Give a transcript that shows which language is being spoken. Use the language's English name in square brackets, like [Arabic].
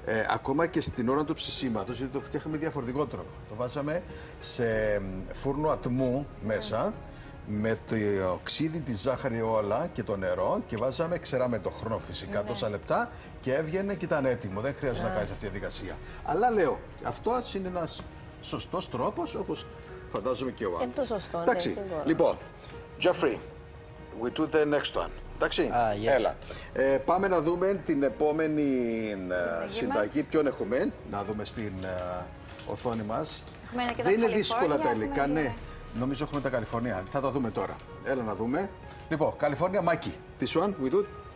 [Greek] Ακόμα και στην ώρα του ψησίματος, γιατί το φτιάχαμε διαφορετικό τρόπο. Το βάζαμε σε φούρνο ατμού μέσα. Με το οξύδι, τη ζάχαρη όλα και το νερό και βάζαμε, ξεράμε το χρόνο φυσικά, ναι, τόσα λεπτά και έβγαινε και ήταν έτοιμο. Δεν χρειάζεται να κάνεις αυτή τη διαδικασία. Αλλά λέω, αυτό είναι ένας σωστός τρόπος, όπως φαντάζομαι και ο άλλος. Είναι το σωστό, εντάξει, ναι, λοιπόν, [English] Jeffrey, we do the next one. [Greek] Εντάξει, [English] yes. [Greek] Έλα. Πάμε να δούμε την επόμενη συνταγή. Ποιον έχουμε, να δούμε στην οθόνη μας. Δεν είναι δύσκολα τελικά, ναι. Νομίζω έχουμε τα Καλιφόρνια. Θα τα δούμε τώρα. Έλα να δούμε. Λοιπόν, Καλιφόρνια Μάκη. [English] This one, we do it.